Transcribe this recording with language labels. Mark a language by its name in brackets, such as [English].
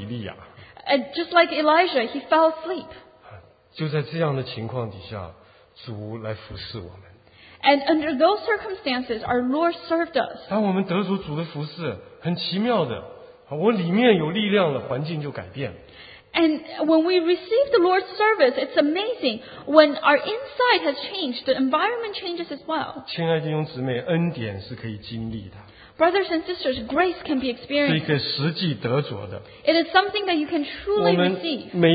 [Chinese] 像以利亚一样就睡着了，我们当然不是以利亚。 [English] Just like Elijah, he fell asleep. [Chinese] 就在这样的情况底下。主来服侍我们。 [English] And under those circumstances, our Lord served us. [Chinese] 当我们得着主的服侍, 很奇妙的, 我里面有力量了, 环境就改变。 [English] And when we receive the Lord's service, it's amazing. When our inside has changed, the environment changes as well. [Chinese] 亲爱的弟兄姊妹, 恩典是可以经历的。 [English] Brothers and sisters, grace can be experienced. It is something that you can truly receive.